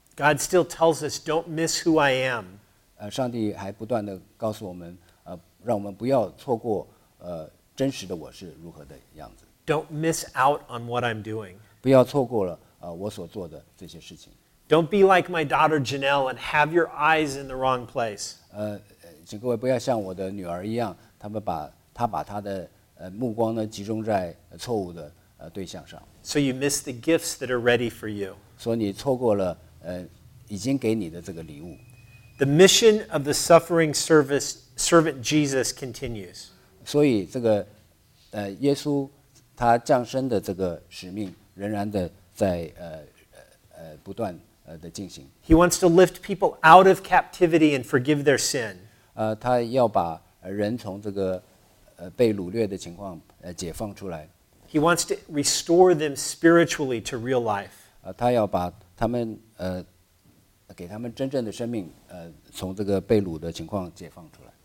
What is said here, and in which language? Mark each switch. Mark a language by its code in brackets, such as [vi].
[en] ？God still tells us, don't miss who I am. [zh] 上帝还不断地告诉我们，让我们不要错过，真实的我是如何的样子。 [en] Don't miss out on what I'm doing. [zh] 不要错过了，我所做的这些事情。 [en] Don't be like my daughter Janelle and have your eyes in the wrong place. [zh] 请各位不要像我的女儿一样，她把她的目光呢集中在错误的对象上。 [en] So you miss the gifts that are ready for you. [zh] 所以你错过了已经给你的这个礼物。 [en] The mission of the suffering servant Jesus continues. [zh] 所以这个耶稣他降生的这个使命仍然的在不断的进行。 [en] He wants to lift people out of captivity and forgive their sin. [zh] 他要把人从这个被掳掠的情况解放出来。 [en] He wants to restore them spiritually to real life. [zh] 他要把他们给他们真正的生命从这个被掳的情况解放出来。